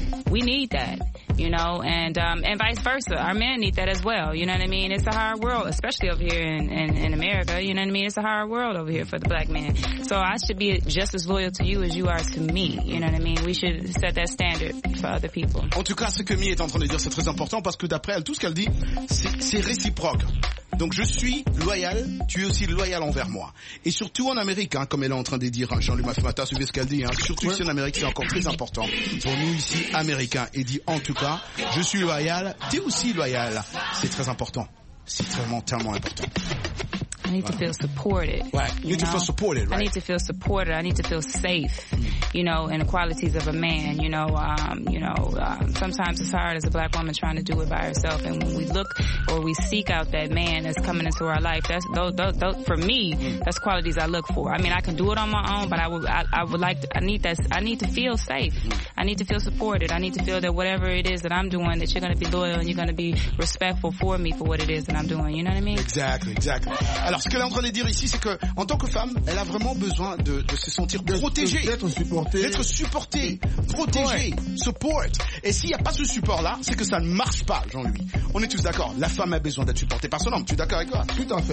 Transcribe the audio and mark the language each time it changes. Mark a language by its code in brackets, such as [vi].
[en] We need that, you know, and vice versa. Our men need that as well. You know what I mean? It's a hard world, especially over here in America. You know what I mean? It's a hard world over here for the black man. So I should be just as loyal to you as you are to me. You know what I mean? We should set that standard for other people. [fr] En tout cas, ce que Mia est en train de dire, c'est très important parce que d'après elle, tout ce qu'elle dit, c'est réciproque. Donc je suis loyal, tu es aussi loyal envers moi. Et surtout en Amérique, hein, comme elle est en train de dire, hein, Jean-Louis Mafema, t'as suivi ce qu'elle dit, hein, surtout ici en Amérique, c'est encore très important pour nous ici, Américains. Et dit en tout cas, je suis loyal, tu es aussi loyal. C'est très important. C'est vraiment tellement important. [en] I need to feel supported. Right. You need to feel supported, right? I need to feel supported. I need to feel safe, you know, in the qualities of a man, you know, sometimes it's hard as a black woman trying to do it by herself. And when we look or we seek out that man that's coming into our life, that's, those, for me, that's qualities I look for. I mean, I can do it on my own, but I need to feel safe. I need to feel supported. I need to feel that whatever it is that I'm doing, that you're going to be loyal and you're going to be respectful for me for what it is that I'm doing. You know what I mean? Exactly. Alors, [fr] ce qu'elle est en train de dire ici, c'est que en tant que femme, elle a vraiment besoin de se sentir protégée, d'être supportée, protégée, ouais. Support. Et s'il n'y a pas ce support là, c'est que ça ne marche pas, Jean-Louis. On est tous d'accord. La femme a besoin d'être supportée par son homme. Tu es d'accord avec moi? Tout à fait.